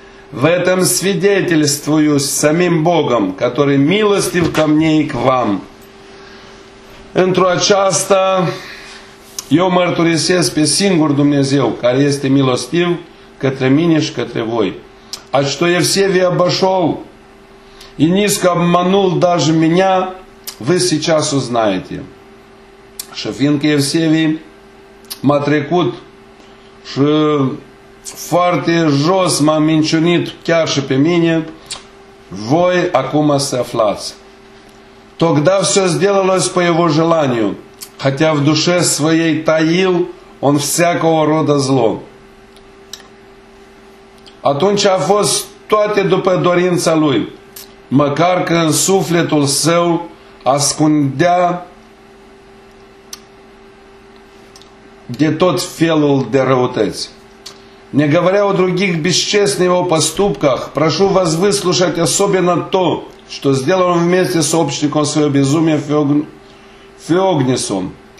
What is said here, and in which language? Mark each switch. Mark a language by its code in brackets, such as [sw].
[ru] В этом свидетельствую самим Богом, который милостив ко мне и к вам. [ro] Într-o aceasta eu mărturisesc pe singur Dumnezeu, care este milostiv către mine și către voi. [ru] А что Евсевий обошел и низко обманул даже меня, вы сейчас узнаете. [ro] Și fiindcă Евсевий m-a trecut și foarte jos m-a minciunit chiar și pe mine, voi acum să aflați. [ru] Тогда все сделалось по его желанию. Хотя в душе своей таил он всякого рода зло. [ro] Atunci a fost toate după dorința lui, măcar că în sufletul său ascundea de tot felul de răutăți. [ru] Не говоря о других бесчестных его поступках, прошу вас выслушать особенно то, что сделал он вместе с общником своего безумия Феогнисом.